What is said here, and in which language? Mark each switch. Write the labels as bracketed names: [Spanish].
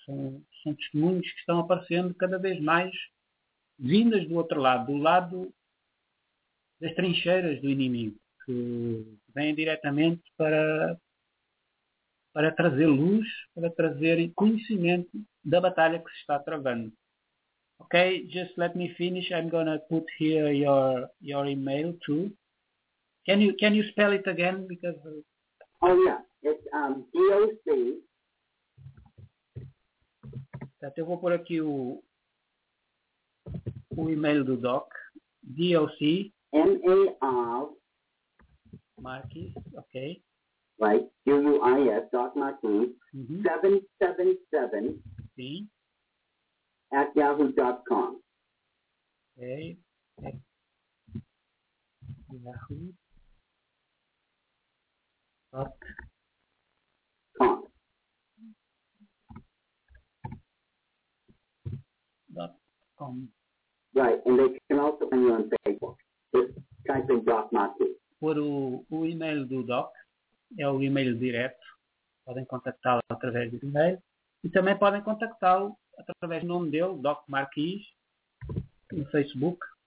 [Portuguese] São testemunhos que estão aparecendo cada vez mais vindas do outro lado, do lado das trincheiras do inimigo, que vêm diretamente para trazer luz, para trazer conhecimento da batalha que se está travando. [English] Ok, just let me finish. I'm going to put here your email too. Can you spell it again? Because oh yeah, it's DOC. [Portuguese] Então, eu vou pôr aqui o email do Doc. [English] DOC. M-A-R. Marquis, okay. Right, Q-U-I-S, Doc Marquis, 777 at yahoo.com. Okay. Yahoo.com. .com. Right, and they can also find you on Facebook. Just type in Doc Marquis. [Portuguese] Por o e-mail do Doc, é o e-mail direto, podem contactá-lo através do e-mail, e também podem contactá-lo através do nome dele, Doc Marquis, no Facebook.